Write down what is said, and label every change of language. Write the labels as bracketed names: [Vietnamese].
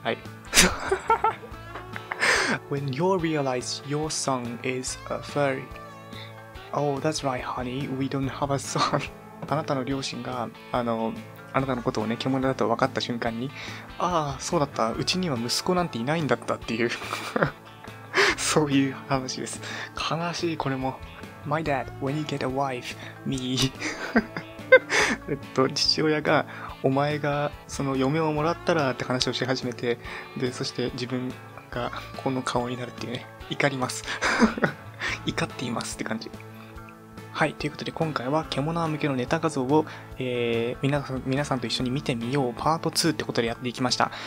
[Japanese] はい。 [English] When you realize your son is a furry. Oh, that's right, honey. We don't have a son. [Japanese] あなたの両親が、あなたのことをね、獣だと分かった瞬間に、ああ、そうだった、うちには息子なんていないんだったっていう、そういう話です。悲しい、これも。 [English] My dad, when you get a wife, me. [Japanese] 父親が、お前が、その、嫁をもらったらって話をし始めて、で、そして自分が、この顔になるっていうね、怒ります。怒っていますって感じ。はい、ということで今回は獣向けのネタ画像を、皆さんと一緒に見てみようパート2ってことでやっていきました。